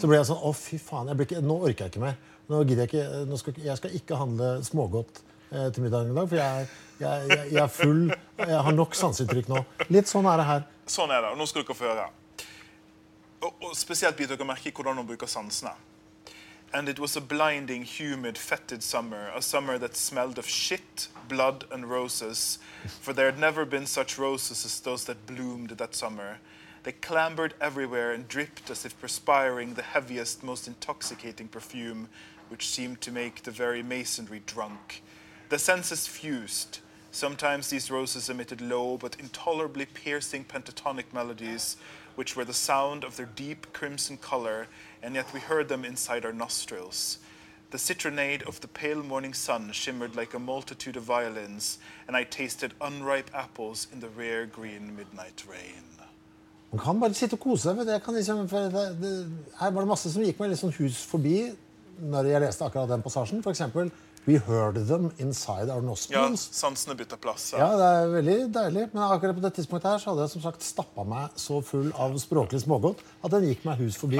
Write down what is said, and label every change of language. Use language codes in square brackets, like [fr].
[no] Så blir jeg sånn, å fy faen, nå orker jeg ikke mer. Nå gidder jeg ikke, jeg skal ikke handle smågodt til middagen i dag, for jeg er full, jeg har nok sansuttrykk nå. Litt sånn er det her. Sånn er det, og nå skal dere få høre. Og spesielt blir dere merke hvordan dere bruker sansene. [en] And it was a blinding, humid, fetid summer, a summer that smelled of shit, blood and roses, for there had never been such roses as those that bloomed that summer. They clambered everywhere and dripped as if perspiring the heaviest, most intoxicating perfume, which seemed to make the very masonry drunk. The senses fused. Sometimes these roses emitted low but intolerably piercing pentatonic melodies, which were the sound of their deep crimson color, and yet we heard them inside our nostrils. The citronade of the pale morning sun shimmered like a multitude of violins, and I tasted unripe apples in the rare green midnight rain. [no] Man kan bare sitte og kose seg, vet du. Liksom, her var det masse som gikk meg litt sånn hus forbi når jeg leste akkurat den passasjen. For eksempel, [en] we heard them inside our nostrils. [no] Ja, sansene bytter plass. Ja, det er veldig deilig. Men akkurat på dette tidspunktet her så hadde jeg som sagt stappet meg så full av språklig smågodt at den gikk meg hus forbi.